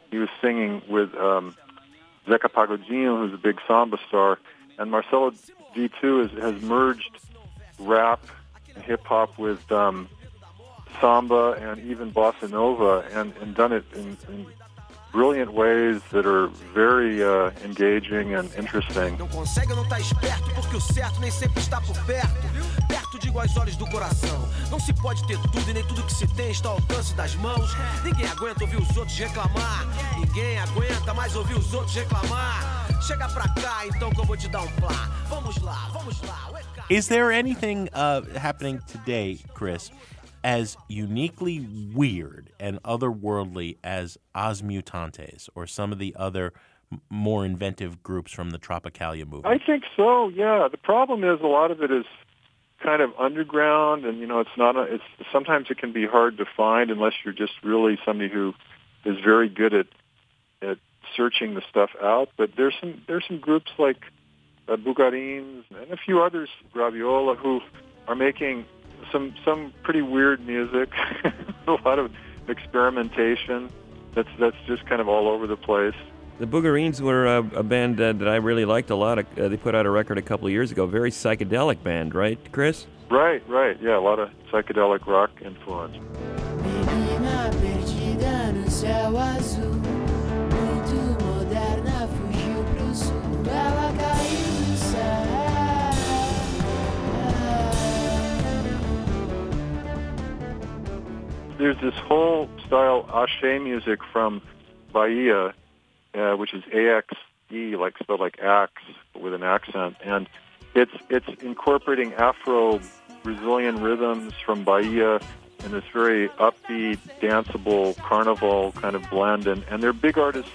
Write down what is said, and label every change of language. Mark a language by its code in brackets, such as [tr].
[en] He was singing with Zeca Pagodinho, who's a big samba star. And Marcelo D2 has merged rap and hip-hop with samba and even bossa nova, and done it in brilliant ways that are very engaging and interesting. [pt] Não consegue não estar esperto, porque o certo nem sempre está por perto. Perto de iguais olhos do coração. Não se pode ter tudo e nem tudo que se tem está ao alcance das mãos. Ninguém aguenta ouvir os outros reclamar. Ninguém aguenta mais ouvir os outros reclamar. Chega pra cá, então que eu vou te dar plá. Vamos lá, vamos lá. [en] Is there anything happening today, Chris, as uniquely weird and otherworldly as As Mutantes or some of the other more inventive groups from the Tropicália movement? I think so, yeah. The problem is a lot of it is kind of underground, and, you know, sometimes it can be hard to find unless you're just really somebody who is very good at searching the stuff out. But there's some groups like Bugarins and a few others, Graviola, who are making some pretty weird music, a lot of experimentation that's just kind of all over the place. The Boogerines were a band that I really liked a lot. They put out a record a couple of years ago, very psychedelic band, right, Chris? Right, yeah, a lot of psychedelic rock influence. [pt] Menina perdida no céu azul, muito moderna, fugiu pro sul, ela caiu no céu. [en] There's this whole style axé music from Bahia, which is A-X-E, like spelled like axe with an accent, and it's incorporating Afro-Brazilian rhythms from Bahia in this very upbeat, danceable, carnival kind of blend. And they're big artists.